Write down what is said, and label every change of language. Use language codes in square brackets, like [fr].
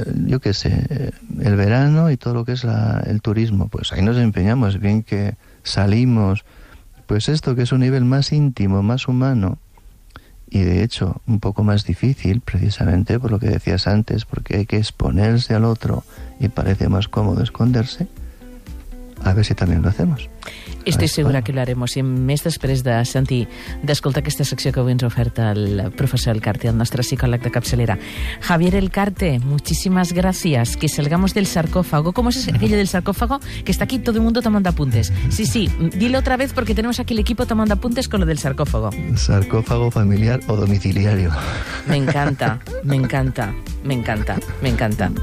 [es] El verano y todo lo que es el turismo, pues ahí nos empeñamos, bien que salimos, pues esto que es un nivel más íntimo, más humano, y de hecho un poco más difícil, precisamente por lo que decías antes, porque hay que exponerse al otro y parece más cómodo esconderse, a ver si también lo hacemos. [ca] Estic segura que ho harem, o sigui, més després de sentir, d'escoltar aquesta secció que avui ens ha ofert el professor Elcarte, el nostre psicòleg de capçalera. [es] Javier Elcarte, muchísimas gracias. Que salgamos del sarcófago. ¿Cómo es aquello del sarcófago? Que está aquí todo el mundo tomando apuntes. Sí, sí, dile otra vez porque tenemos aquí el equipo tomando apuntes con lo del sarcófago. Sarcófago familiar o domiciliario. Me encanta, me encanta, me encanta, me encanta.